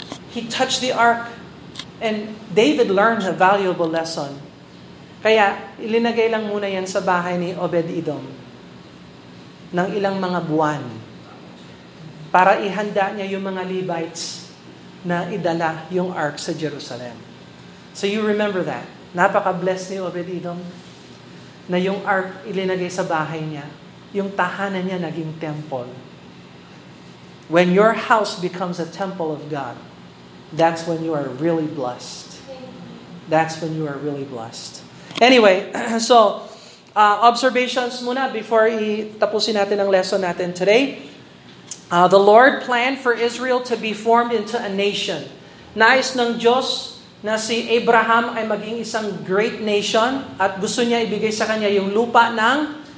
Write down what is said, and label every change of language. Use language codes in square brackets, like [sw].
[en] He touched the Ark. And David learned a valuable lesson. [tl] Kaya ilinagay lang muna yan sa bahay ni Obed-Edom ng ilang mga buwan, para ihanda niya yung mga Levites na idala yung Ark sa Jerusalem. [en] So you remember that. [tl] Napaka-blessed ni Obed-Edom na yung Ark ilinagay sa bahay niya. Yung tahanan niya naging temple. [en] When your house becomes a temple of God, that's when you are really blessed. That's when you are really blessed. Anyway, so observations muna before itapusin natin ang lesson natin today. The Lord planned for Israel to be formed into a nation. [tl] Nais ng Diyos na si Abraham ay maging isang great nation at gusto niya ibigay sa kanya yung lupa ng